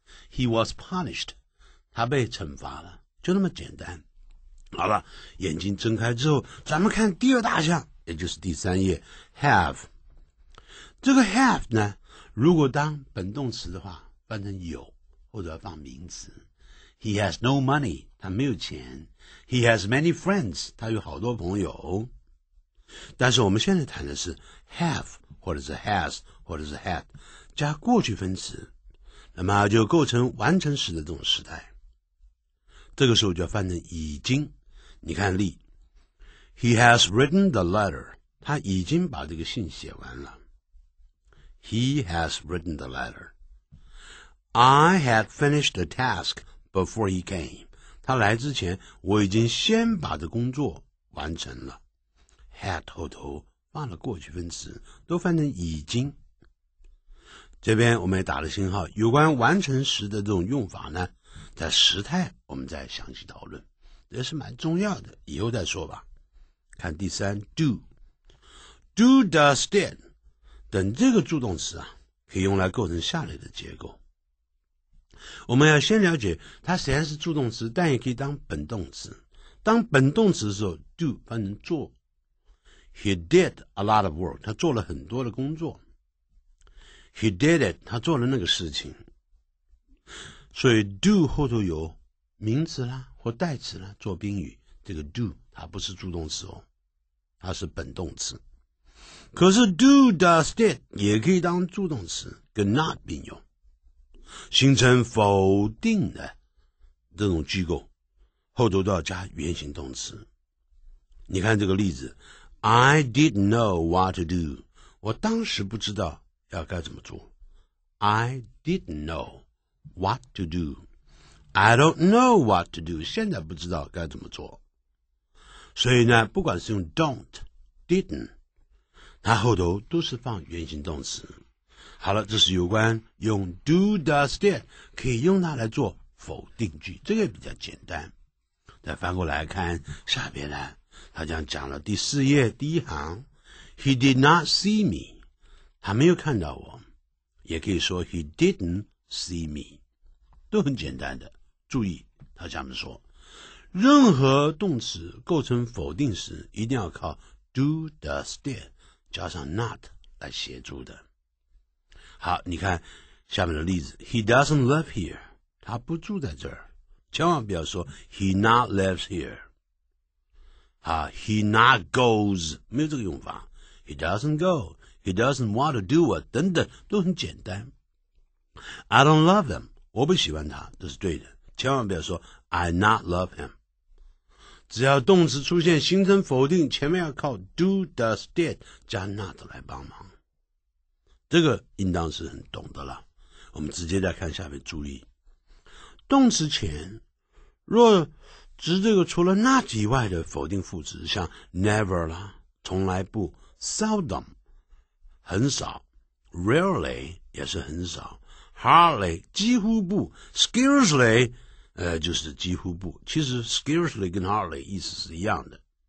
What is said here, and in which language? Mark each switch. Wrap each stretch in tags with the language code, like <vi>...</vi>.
<en>He was punished，</en> <zh>他被惩罚了，就那么简单。好了，眼睛睁开之后，咱们看第二大项，也就是第三页 have。这个 have 呢，如果当本动词的话，翻成有，或者放名词。</zh> <en>He has no money，</en> <zh>他没有钱。</zh> <en>He has many friends，</en> <zh>他有好多朋友。但是我们现在谈的是 have， 或者是 has， 或者是 had， 加过去分词，那么就构成完成时的这种时态。这个时候就要翻成已经。你看例 ，</zh> <en>He has written the letter，</en> <zh>他已经把这个信写完了。</zh> <en>He has written the letter. I had finished the task before he came.</en> <zh>他来之前，我已经先把这工作完成了。 Had 后头放了过去分词，都翻成已经。这边我们也打了星号，有关完成时的这种用法呢，在时态我们再详细讨论，也是蛮重要的，以后再说吧。看第三 ，do。Do, does, did。等这个助动词啊，可以用来构成下列的结构。我们要先了解，它虽然是助动词，但也可以当本动词。当本动词的时候 ，do 翻成做。</zh> <en>He did a lot of work，</en> <zh>他做了很多的工作。</zh> <en>He did it，</en> <zh>他做了那个事情。所以 do 后头有名词啦或代词啦做宾语，这个 do 它不是助动词哦，它是本动词。可是 do, does, did 也可以当助动词跟 not 并用，形成否定的这种句构，后头都要加原形动词。你看这个例子</zh> <en>I didn't know what to do，</en> <zh>我当时不知道要该怎么做。</zh> <en>I didn't know what to do， I don't know what to do，</en> <zh>现在不知道该怎么做。所以呢，不管是用 don't, didn't，它后头都是放原形动词。好了，这是有关用 do, does, did 可以用它来做否定句，这个也比较简单。再翻过来看下边呢，他讲讲了第四页第一行</zh> <en>He did not see me，</en> <zh>他没有看到我，也可以说</zh> <en>He didn't see me，</en> <zh>都很简单的。注意他下面说，任何动词构成否定时一定要靠 do, does, did加上 not 来协助的。好，你看下面的例子</zh> <en>He doesn't live here，</en> <zh>他不住在这儿，千万不要说</zh> <en>He not lives here。好， He not goes</en> <zh>没有这个用法，</zh> <en>He doesn't go， He doesn't want to do it</en> <zh>等等，都很简单。</zh> <en>I don't love him，</en> <zh>我不喜欢他，这是对的，千万不要说</zh> <en>I not love him。</en> <zh>只要动词出现形成否定，前面要靠 do, does, did 加 not 来帮忙，这个应当是很懂的了。我们直接来看下面注意，动词前若指这个除了 not 以外的否定副词，像 never 啦，从来不， seldom 很少， rarely 也是很少， hardly 几乎不， scarcely就是几乎不，其实 scarcely 跟 hardly 意思是一样的。</zh>